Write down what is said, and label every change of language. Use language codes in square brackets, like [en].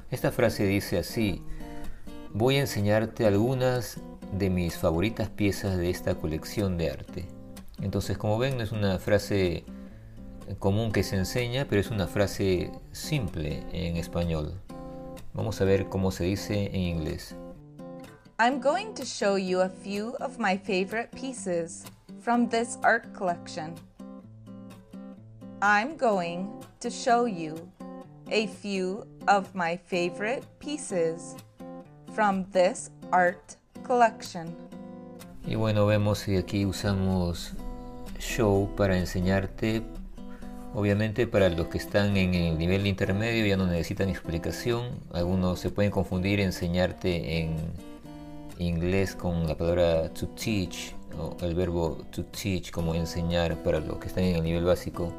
[es] Esta frase dice así: voy a enseñarte algunas de mis favoritas piezas de esta colección de arte. Entonces, como ven, no es una frase común que se enseña, pero es una frase simple en español. Vamos a ver cómo se dice en inglés. [en] I'm going to show you a few of my favorite pieces from this art collection. I'm going to show you a few of my favorite pieces from this art collection. [es] Y bueno, vemos que aquí usamos show para enseñarte. Obviamente, para los que están en el nivel intermedio ya no necesitan explicación. Algunos se pueden confundir enseñarte en inglés con la palabra to teach, o el verbo to teach, como enseñar, para los que están en el nivel básico.